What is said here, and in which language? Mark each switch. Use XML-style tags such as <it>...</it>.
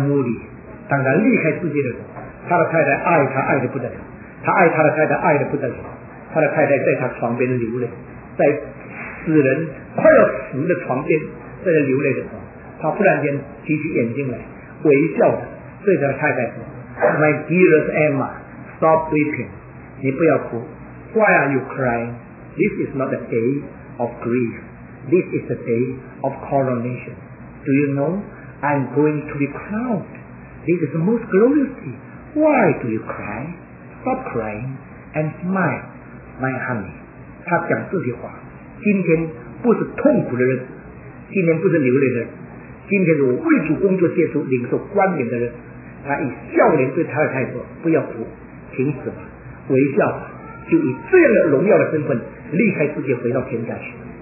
<zh>Moody， 当他离开世界的时候，他的太太爱他爱得不得了，他爱他的太太爱得不得了，他的太太在他床边流泪，在死人快要死的床边在他流泪的时候，他忽然间提起眼睛来微笑着对他的太太说，</zh> <en>My dearest Emma， stop weeping，</en> <zh>你不要哭。</zh> <en>Why are you crying? This is not the day of grief. This is the day of coronation. Do you know? I'm going to be crowned. This is the most glorious day. Why do you cry? Stop crying and smile, my honey.</en> <zh>他讲这些话，今天不是痛苦的日子，今天不是流泪的日子，今天是我为主工作接受领受冠冕的日子。他以笑脸对太太说，不要哭，停止吧，微笑吧，就以这样的荣耀的身份离开世界回到天家去。</zh>